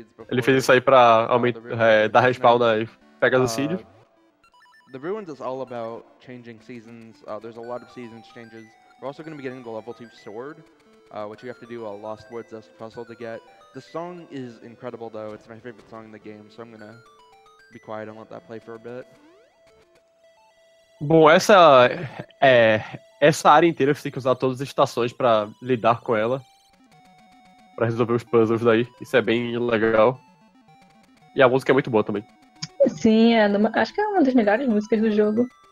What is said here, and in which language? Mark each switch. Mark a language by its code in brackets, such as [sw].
[pt] Ele fez isso aí pra aumentar, dar respawn aí, pega o Cílio. [en] The Ruins is all about changing seasons. There's a lot of seasons changes. We're also going to be getting the level 2 sword, which you have to do a Lost Woods esque puzzle to get. The song is incredible though. It's my favorite song in the game, so I'm gonna be quiet and let that play for a bit. [pt] Bom, essa área inteira você tem que usar todas as estações pra lidar com ela. Pra resolver os puzzles daí. Isso é bem legal. E a música é muito boa também. Sim, acho que é uma das melhores músicas do jogo.